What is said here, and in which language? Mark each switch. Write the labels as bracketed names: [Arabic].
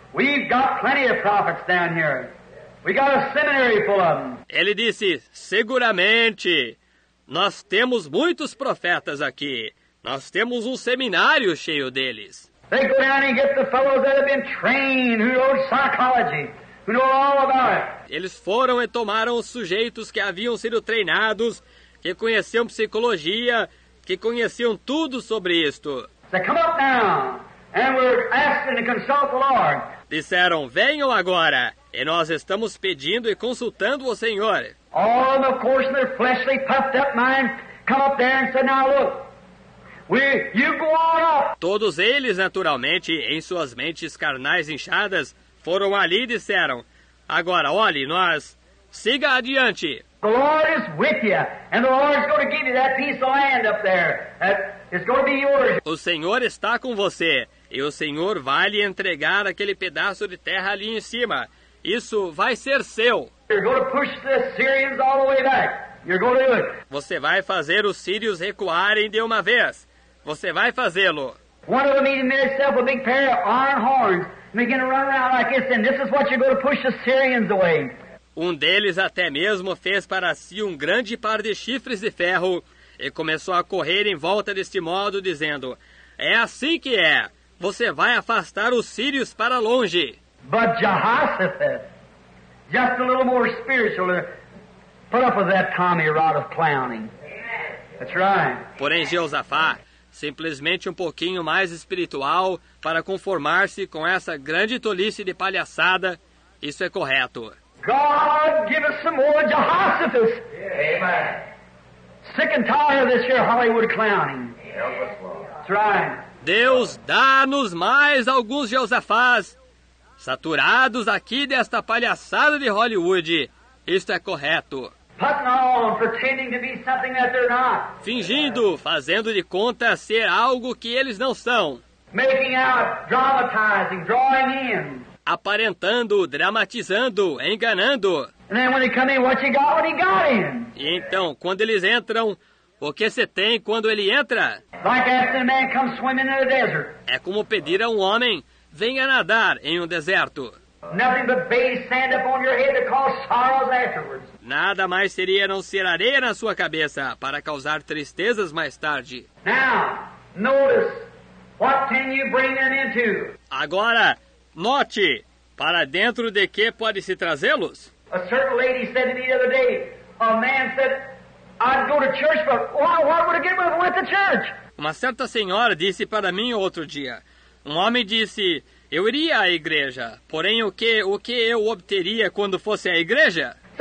[English] We've got plenty of prophets down here. We got a seminary full of them. [Portuguese] Ele disse, seguramente, nós temos muitos profetas aqui. Nós temos um seminário cheio deles. [English] They go down and get the fellows that have been trained, who know psychology, who know all about it. [Portuguese] Eles foram e tomaram os sujeitos que haviam sido treinados, que conheciam psicologia, que conheciam tudo sobre isto. [English] They come up now, and we're asking to consult the Lord. [Portuguese] Disseram, venham agora, e nós estamos pedindo e consultando o Senhor. [English] All of course their fleshly puffed up mind come up there and said, now look. You go on up. [Portuguese] Todos eles, naturalmente, em suas mentes carnais inchadas, foram ali e disseram, agora, olhe, nós, siga adiante. [English] The Lord is with you, and the Lord is going to give you that piece of land up there. It's going to be yours. [Portuguese] O Senhor está com você, e o Senhor vai lhe entregar aquele pedaço de terra ali em cima. Isso vai ser seu. [English] You're going to push the Syrians all the way back. You're going to do it. [Portuguese] Você vai fazer os sírios recuarem de uma vez. Você vai fazê-lo. [English] One of them even made itself a big pair of iron horns and began to run around like this, and this is what you're going to push the Syrians away. [Portuguese] Um deles até mesmo fez para si um grande par de chifres de ferro e começou a correr em volta deste modo, dizendo, é assim que é. Você vai afastar os sírios para longe. [English] But Jehoshaphat, just a little more spiritual, put up with that Tommy rod of clowning. That's right. [Portuguese] Porém, Jeosafá, simplesmente um pouquinho mais espiritual para conformar-se com essa grande tolice de palhaçada, isso é correto. [English] God, give us some more Jehoshaphat. Amen. Sick and tired of this here Hollywood clowning. That's right. [Portuguese] Deus, dá-nos mais alguns Jeosafás, saturados aqui desta palhaçada de Hollywood. Isto é correto. [English] Putting on, pretending to be something that they're not. [Portuguese] Fingindo, fazendo de conta ser algo que eles não são. [English] Making out, dramatizing, drawing in. [Portuguese] Aparentando, dramatizando, enganando. [English] And then when they come in, what you got when he got in? [Portuguese] E então, quando eles entram, o que se tem quando ele entra? [English] Like asking a man come swimming in a desert. [Portuguese] É como pedir a um homem, venha nadar em um deserto. [English] Nothing but base sand upon your head to cause sorrows afterwards. [Portuguese] Nada mais seria não ser areia na sua cabeça para causar tristezas mais tarde. [English] Now, notice, what can you bring them into? [Portuguese] Agora, note, para dentro de que pode-se trazê-los? [English] A certain lady said to me the other day, a man said, I'd go to church, but why would I get with the church? [Portuguese] Uma certa senhora disse para mim outro dia, um homem disse, eu iria à igreja, porém o que eu obteria quando fosse à igreja?